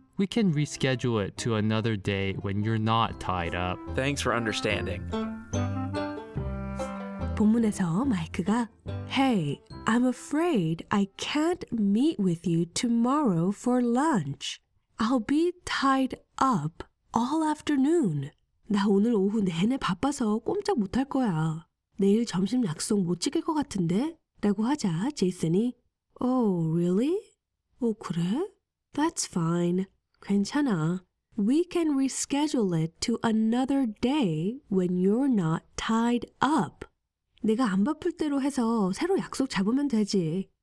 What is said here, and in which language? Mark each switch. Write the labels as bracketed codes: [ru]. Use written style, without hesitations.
[en] We can reschedule it to another day when you're not tied up. Thanks for understanding. [ko] 본문에서 마이크가 [en] Hey, I'm afraid I can't meet with you tomorrow for lunch. I'll be tied up all afternoon. [ko] 나 오늘 오후 내내 바빠서 꼼짝 못할 거야. 내일 점심 약속 못 지킬 것 같은데? 라고 하자 제이슨이 [en] Oh, really? [ko] 오, 그래? [en] That's fine. [ko] 괜찮아. [en] We can reschedule it to another day when you're not tied up. [ko] 내가 안 바쁠 대로 해서 새로 약속 잡으면 되지.